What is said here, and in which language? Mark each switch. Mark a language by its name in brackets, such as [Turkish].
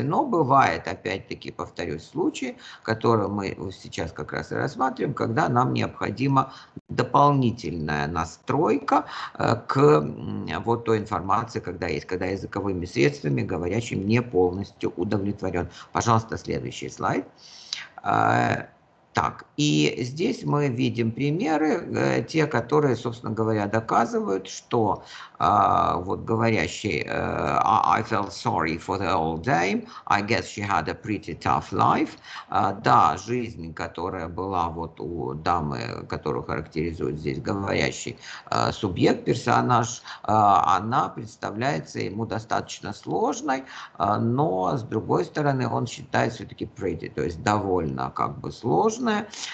[Russian] Но бывает, опять-таки, повторюсь, случаи, которые мы сейчас как раз и рассматриваем, когда нам необходима дополнительная настройка к вот той информации, когда есть, когда языковыми средствами говорящим не полностью удовлетворен. Пожалуйста, следующий слайд. Так, и здесь мы видим примеры, те, которые, собственно говоря, доказывают, что вот говорящий [English] «I felt sorry for the old dame, I guess she had a pretty tough life». [Russian] Да, жизнь, которая была вот у дамы, которую характеризует здесь говорящий субъект, персонаж, она представляется ему достаточно сложной, но, с другой стороны, он считает все-таки pretty, то есть довольно как бы сложной.